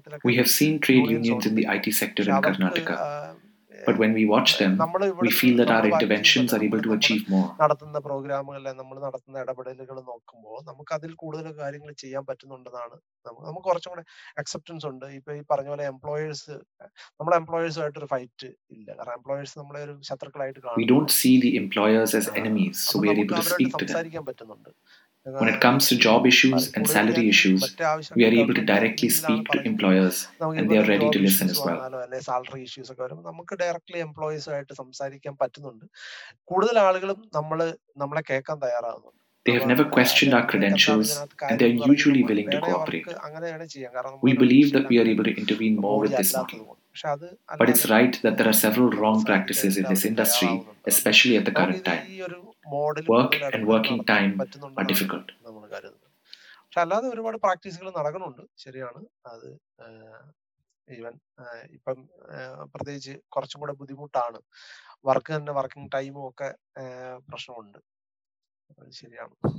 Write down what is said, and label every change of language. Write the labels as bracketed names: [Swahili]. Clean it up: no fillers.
[English] we have seen trade unions in the it sector in karnataka But when we watch them, we feel that our interventions are able to achieve more. [Malayalam] നടത്തുന്ന പ്രോഗ്രാമുകളെ നമ്മൾ നടത്തുന്ന ഇടപെടലുകൾ നോക്കുമ്പോൾ നമുക്ക് അതിൽ കൂടുതൽ കാര്യങ്ങൾ ചെയ്യാൻ പറ്റുന്നുണ്ടെന്നാണ് നമുക്ക് കുറച്ചും കൂടെ അക്സെപ്റ്റൻസ് ഉണ്ട് ഇപ്പൊ ഈ പറഞ്ഞ പോലെ എംപ്ലോയേഴ്സ് നമ്മുടെ എംപ്ലോയേഴ്സുമായിട്ട് ഒരു ഫൈറ്റ് ഇല്ല കാരണം എംപ്ലോയേഴ്സ് നമ്മളെ ഒരു ശത്രുക്കളായിട്ട് കാണും. [English] We don't see the employers as enemies, so we are able to speak to them. When it comes to job issues and salary issues, we are able to directly speak to employers and they are ready to listen as well. Salary issues [Malayalam] ഒക്കെ വരുമ്പോൾ നമുക്ക് directly employees ആയിട്ട് സംസാരിക്കാൻ പറ്റുന്നുണ്ട് കൂടുതൽ ആളുകളും നമ്മളെ കേൾക്കാൻ തയ്യാറാകുന്നു [English] They have never questioned our credentials and they are usually willing to cooperate. We believe that we are able to intervene more with this model. But it's right that there are several wrong practices in this industry, especially at the current time. Work and working time are difficult. [Malayalam] പക്ഷെ അല്ലാതെ ഒരുപാട് പ്രാക്ടീസുകൾ നടക്കുന്നുണ്ട് ശരിയാണ് അത് even ഇപ്പം പ്രത്യേകിച്ച് കുറച്ചും കൂടെ ബുദ്ധിമുട്ടാണ് വർക്ക് തന്നെ വർക്കിംഗ് ടൈമും ഒക്കെ പ്രശ്നമുണ്ട് ശരിയാണ്